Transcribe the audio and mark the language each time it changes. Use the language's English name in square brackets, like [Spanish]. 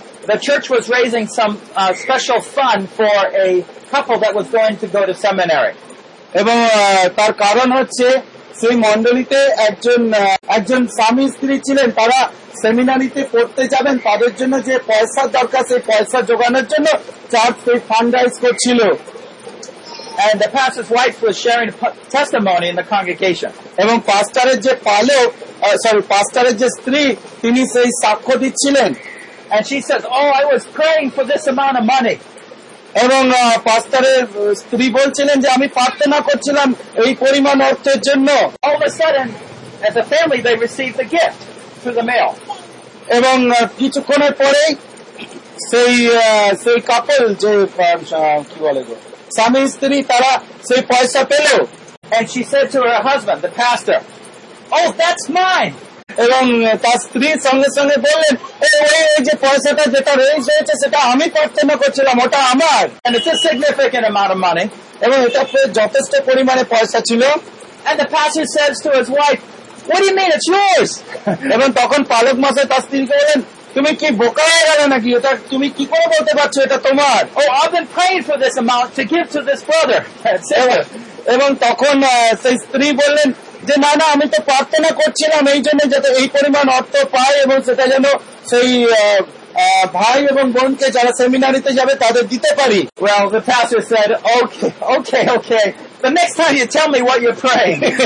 [English] The church was raising some special fund for a couple that was going to go to seminary. [Bangla] এবং তার কারণ হচ্ছে সেই মন্ডলীতে একজন একজন স্বামী স্ত্রী ছিলেন, তারা সেমিনারিতে পড়তে যাবেন, তাদের জন্য যে পয়সার দরকার সেই পয়সা যোগানোর জন্য চার্চ সেই ফান্ড রাইজ করছিল. [English] And the pastor's wife was sharing testimony in the congregation. [Bangla] এবং পাস্টারের যে পালক সরি পাস্টারের যে স্ত্রী তিনি সেই সাক্ষ্য দিচ্ছিলেন. [English] And she says, oh, I was praying for this amount of money. [Bangla] এবং পাস্টারের স্ত্রী বলছিলেন যে আমি প্রার্থনা করছিলাম এই পরিমাণ অর্থের জন্য. [English] All of a sudden, as a family, they received the gift through the mail. [Bangla] এবং কিছুক্ষণের পরে সেই সেই কাপল যে কি বলে স্বামী স্ত্রী তারা সেই পয়সা পেল. [English] And she said to her husband, the pastor, oh, that's mine. [Bangla] এবং তার স্ত্রীর সঙ্গে সঙ্গে বললেন যে পয়সাটা যেটা রয়েছে সেটা আমি প্রার্থনা করছিলাম, ওটা আমার. [English] And it's a significant amount of money. [Bangla] এবং এটা যথেষ্ট পরিমাণে পয়সা ছিল. [English] And the pastor says to his wife, what do you mean, it's yours? [Bangla] এবং তখন পালক মাসে তার স্ত্রীকে বললেন, তুমি কি বোকা হয়ে গেলে নাকি, এটা তুমি কি করে বলতে পারছো এটা তোমার? [English] Oh, I've been praying for this amount to give to this brother. [Bangla] এবং তখন সেই স্ত্রী বললেন যে না না, আমি তো প্রার্থনা করছিলাম এই জন্য যাতে এই পরিমাণ অর্থ পায় এবং সেটা যেন সেই ভাই এবং বোনকে যারা সেমিনারিতে যাবে তাদের দিতে পারি. [English] Well, the pastor said, okay, the next time you tell me what you're praying.